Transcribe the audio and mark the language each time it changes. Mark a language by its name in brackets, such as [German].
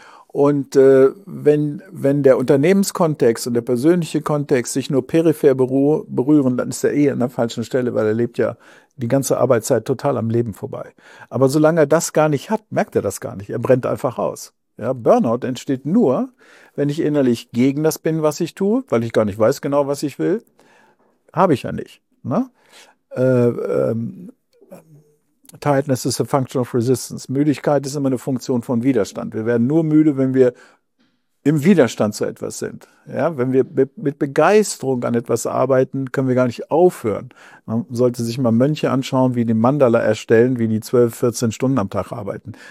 [German] Und wenn der Unternehmenskontext und der persönliche Kontext sich nur peripher berühren, dann ist er eh an der falschen Stelle, weil er lebt ja die ganze Arbeitszeit total am Leben vorbei. Aber solange er das gar nicht hat, merkt er das gar nicht. Er brennt einfach aus. Ja, Burnout entsteht nur, wenn ich innerlich gegen das bin, was ich tue, weil ich gar nicht weiß genau, was ich will. Habe ich ja nicht. Ne? [English] Tiredness is a function of resistance. [German] Müdigkeit ist immer eine Funktion von Widerstand. Wir werden nur müde, wenn wir im Widerstand zu etwas sind. Ja, wenn wir mit Begeisterung an etwas arbeiten, können wir gar nicht aufhören. Man sollte sich mal Mönche anschauen, wie die Mandala erstellen, wie die 12, 14 Stunden am Tag arbeiten.